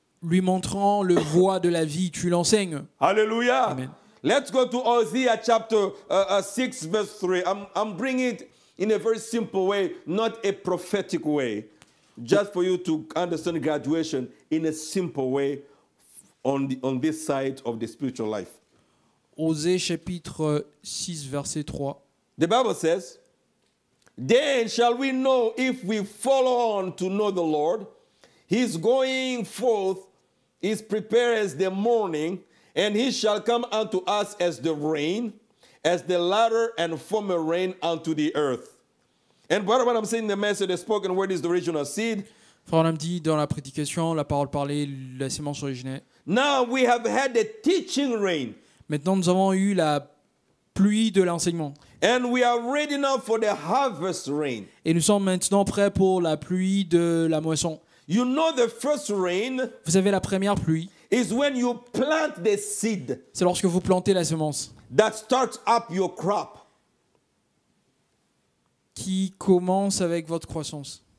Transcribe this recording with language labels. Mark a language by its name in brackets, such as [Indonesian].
[French] Lui montrant le voie de la vie, tu l'enseignes. Hallelujah. Amen. [English] Let's go to Hosea chapter 6 verse 3. I'm bringing it in a very simple way, not a prophetic way, just for you to understand graduation in a simple way on this side of the spiritual life. [French] Osée chapitre 6 verset 3. [English] The Bible says, then shall we know if we follow on to know the Lord. His going forth is prepared as the morning, and he shall come unto us as the rain, as the latter and former rain unto the earth. And what I'm saying, the message, the spoken word is the original seed. [French] Frère dit dans la prédication, la parole parlée, la semence originaire. [English] Now we have had the teaching rain. [French] Maintenant, nous avons eu la pluie de l'enseignement. [English] And we are ready now for the harvest rain. [French] Et nous sommes maintenant prêts pour la pluie de la moisson. [English] You know the first rain. [French] Vous savez, la première pluie. [English] Is when you plant the seed. [French] C'est lorsque vous plantez la semence. [English] That starts up your crop. [French] Qui commence avec votre croissance.